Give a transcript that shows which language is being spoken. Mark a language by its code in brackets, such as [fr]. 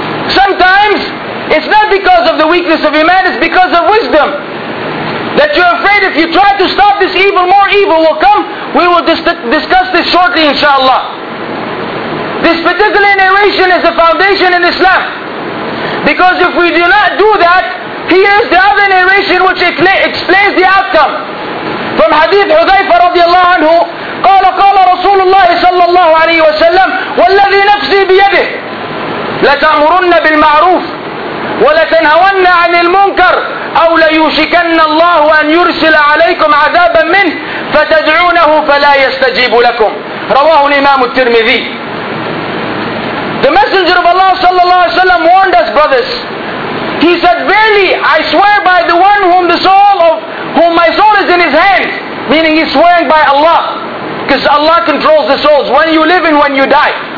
[en] Sometimes it's not because of the weakness of iman, it's because of wisdom, that you're afraid if you try to stop this evil, more evil will come. We will discuss this shortly, inshallah. This particular narration is the foundation in Islam, because if we do not do that, here's the other narration which explains the outcome. From Hadith Hudhayfa radiallahu anhu, [ar] قال رسول الله صلى الله عليه وسلم والذي نفسي بيده لتأمرن بالمعروف ولتنهون عن المنكر أو ليوشكن الله أن يرسل عليكم عذابا منه فتدعونه فلا يستجيب لكم. رواه الإمام الترمذي. [en] The Messenger of Allah صلى الله عليه وسلم warned us, brothers. He said, verily I swear by the one whom my soul is in his hand, meaning he's swearing by Allah, because Allah controls the souls when you live and when you die.